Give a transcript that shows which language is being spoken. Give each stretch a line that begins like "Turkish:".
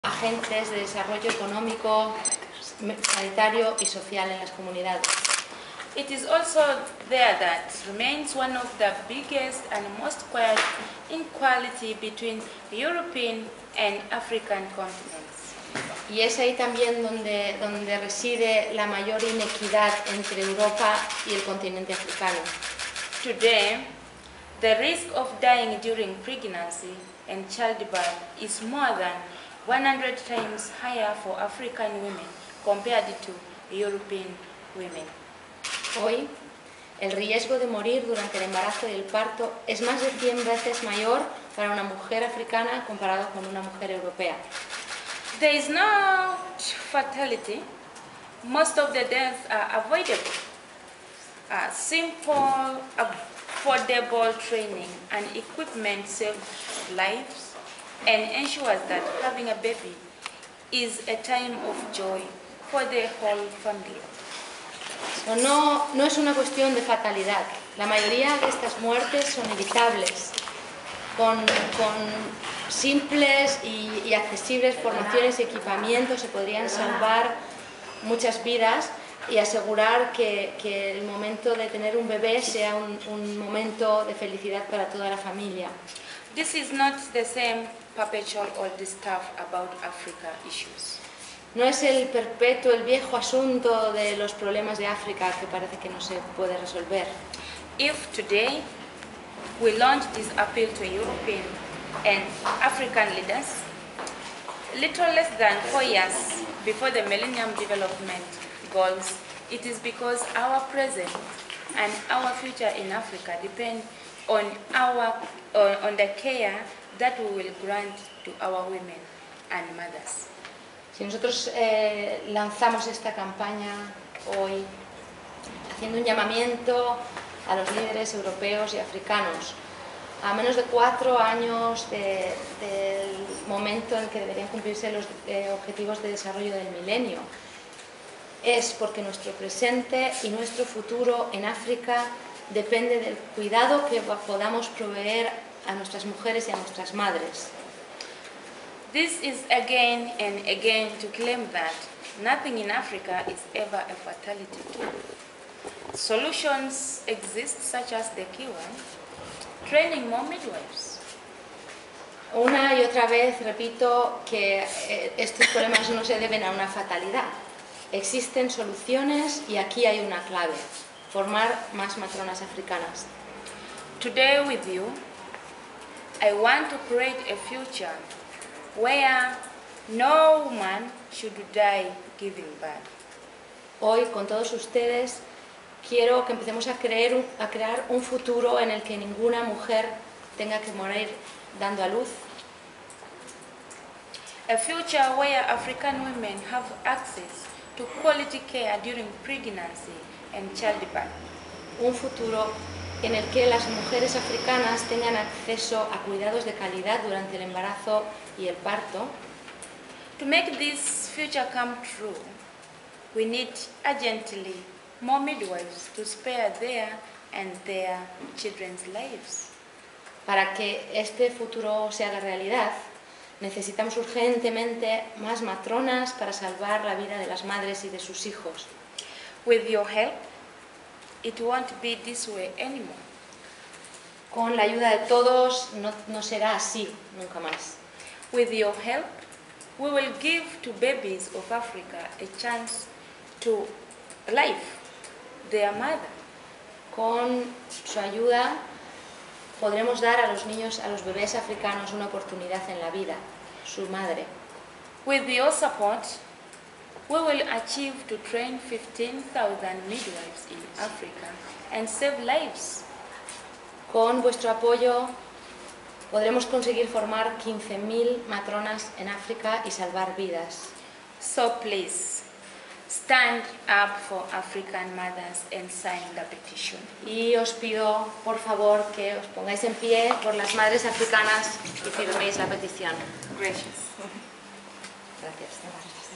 Spanish: agentes de desarrollo económico, sanitario y social en las comunidades.
English: It is also there that remains one of the biggest and most quiet inequality between European and African continents.
Spanish: Y es ahí también donde reside la mayor inequidad entre Europa y el continente africano.
English: Today, the risk of dying during pregnancy and childbirth is more than 100 times higher for African women compared to European women.
Spanish: Hoy, el riesgo de morir durante el embarazo y el parto es más de 100 veces mayor para una mujer africana comparado con una mujer europea.
English: There is no fatality. Most of the deaths are avoidable. Simple, affordable training and equipment save lives and ensures that having a baby is a time of joy for the whole family.
Spanish: No es una cuestión de fatalidad. La mayoría de estas muertes son evitables con simples y accesibles formaciones y equipamientos se podrían salvar muchas vidas y asegurar que el momento de tener un bebé sea un momento de felicidad para toda la familia.
English: This is not the same perpetual old stuff about Africa issues.
Spanish: No es el perpetuo, el viejo asunto de los problemas de África que parece que no se puede resolver.
English: If today we launch this appeal to European and African leaders, little less than 4 years before the Millennium Development Goals, it is because our present and our future in Africa depend on the care that we will grant to our women and mothers.
Spanish: Si nosotros lanzamos esta campaña hoy, haciendo un llamamiento a los líderes europeos y africanos, a menos de 4 años del momento en que deberían cumplirse los objetivos de desarrollo del milenio, es porque nuestro presente y nuestro futuro en África depende del cuidado que podamos proveer a nuestras mujeres y a nuestras madres.
English: This is again and again to claim that nothing in Africa is ever a fatality tool. Solutions exist, such as the key one, training more midwives.
Spanish: Una y otra vez repito que estos problemas no se deben a una fatalidad. Existen soluciones y aquí hay una clave, formar más matronas africanas.
English: Today with you, I want to create a future where no woman should die giving birth.
Spanish: Hoy, con todos ustedes, quiero que empecemos a crear un futuro en el que ninguna mujer tenga que morir dando a luz.
English: A future where African women have access to quality care during pregnancy and childbirth.
Spanish: Un futuro en el que las mujeres africanas tengan acceso a cuidados de calidad durante el embarazo y el parto.
English: To make this future come true, we need urgently more midwives to spare their and their children's lives.
Spanish: Para que este futuro sea la realidad, necesitamos urgentemente más matronas para salvar la vida de las madres y de sus hijos.
English: With your help, it won't be this way anymore.
Spanish: Con la ayuda de todos, no será así nunca más.
English: With your help, we will give to babies of Africa a chance to life their mother.
Spanish: Con su ayuda, podremos dar a los niños, a los bebés africanos, una oportunidad en la vida, su madre.
English: With your support, we will achieve to train 15,000 midwives in Africa and save lives.
Spanish: Con vuestro apoyo podremos conseguir formar 15,000 matronas en África y salvar vidas.
English: So please stand up for African mothers and sign the petition.
Spanish: Y os pido, por favor, que os pongáis en pie por las madres africanas y firméis la petición. Gracias. Gracias.